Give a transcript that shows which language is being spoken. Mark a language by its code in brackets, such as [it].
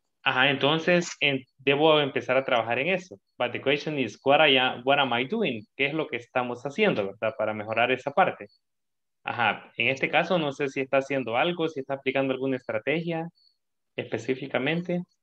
[es] Ajá, entonces debo empezar a trabajar en eso. [en] But the question is, what am I doing? [es] ¿Qué es lo que estamos haciendo, verdad? Para mejorar esa parte. Ajá, en este caso no sé si está haciendo algo, si está aplicando alguna estrategia específicamente.